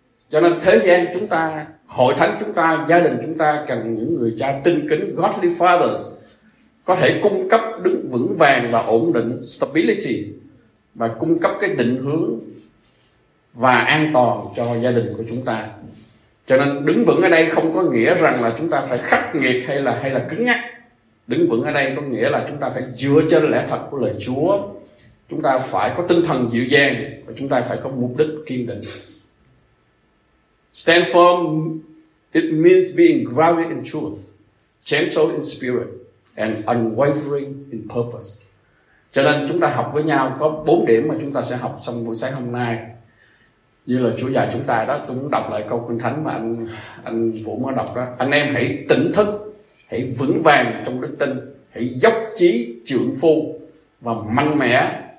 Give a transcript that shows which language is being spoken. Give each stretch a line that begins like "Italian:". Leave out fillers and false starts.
Vietnamese: Cho nên thế gian chúng ta, hội thánh chúng ta, gia đình chúng ta cần những người cha tinh kính,
English: godly fathers,
Vietnamese: có thể cung cấp đứng vững vàng và ổn định, stability, và cung cấp cái định hướng và an toàn cho gia đình của chúng ta. Cho nên đứng vững ở đây không có nghĩa rằng là chúng ta phải khắc nghiệt hay là cứng nhắc. Đứng vững ở đây có nghĩa là chúng ta phải dựa trên lẽ thật của lời Chúa, chúng ta phải có tinh thần dịu dàng và chúng ta phải có mục đích kiên định.
English: Stand firm, it means being grounded in truth, gentle in spirit, and unwavering in purpose.
Vietnamese: Cho nên chúng ta học với nhau có 4 điểm mà chúng ta sẽ học trong buổi sáng hôm nay. Như là Chúa dạy chúng ta đó, tôi muốn đọc lại câu Kinh Thánh mà anh Vũ mới đọc đó. Anh em hãy tỉnh thức, hãy vững vàng trong đức tin, hãy dốc chí trượng phu và mạnh mẽ.